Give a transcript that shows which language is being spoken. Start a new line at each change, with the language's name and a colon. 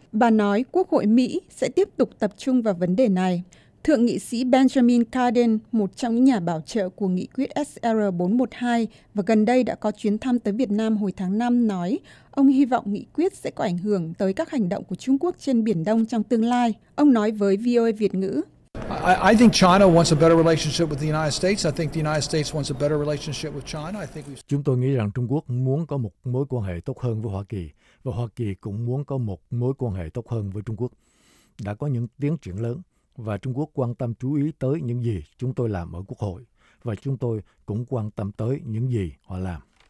Vietnamese: Bà nói Quốc hội Mỹ sẽ tiếp tục tập trung vào vấn đề này. Thượng nghị sĩ Benjamin Cardin, một trong những nhà bảo trợ của nghị quyết SR-412 và gần đây đã có chuyến thăm tới Việt Nam hồi tháng 5, nói ông hy vọng nghị quyết sẽ có ảnh hưởng tới các hành động của Trung Quốc trên Biển Đông trong tương lai. Ông nói với VOA Việt ngữ.
English: I think China wants a better relationship with the United States. I think the United States wants a better relationship with China.
Vietnamese: Chúng tôi nghĩ rằng Trung Quốc muốn có một mối quan hệ tốt hơn với Hoa Kỳ, và Hoa Kỳ cũng muốn có một mối quan hệ tốt hơn với Trung Quốc. Đã có những tiến triển lớn. Và Trung Quốc quan tâm chú ý tới những gì chúng tôi làm ở Quốc hội, và chúng tôi cũng quan tâm tới những gì họ làm.